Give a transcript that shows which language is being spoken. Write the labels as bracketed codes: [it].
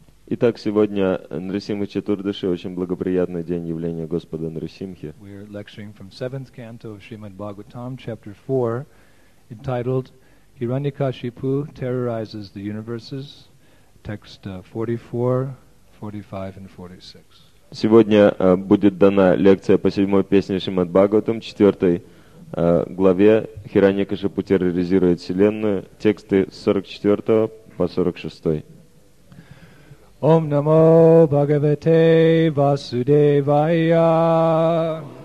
[ru] Итак, сегодня Нрисимха Чатурдаши, очень благоприятный день явления Господа Нрисимхи. [en] We are lecturing from 7th canto of Srimad Bhagavatam, chapter 4, entitled Hiranyakashipu Terrorizes the Universes, text 44, 45 and 46. [ru] Сегодня будет дана лекция по седьмой песне Шримад Бхагаватам, четвертой главе Хираньякашипу терроризирует вселенную, тексты с 44 по 46. [sa] Ом намо Бхагавате Васудевая.